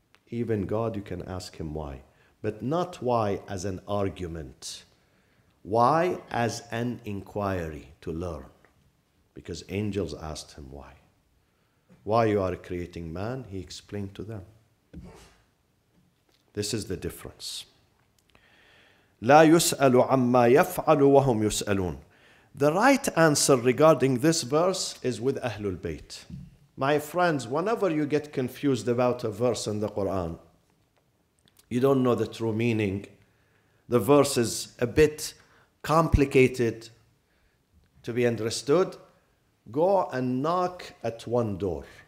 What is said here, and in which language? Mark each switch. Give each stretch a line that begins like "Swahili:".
English: Even God, you can ask him why. But not why as an argument. Why as an inquiry to learn. Because angels asked him why. Why you are creating man, he explained to them. This is the difference.
Arabic: لا يسأل عما يفعل وهم يسألون.
English: The right answer regarding this verse is with Ahlul Bayt. My friends, whenever you get confused about a verse in the Quran, you don't know the true meaning, the verse is a bit complicated to be understood, go and knock at one door.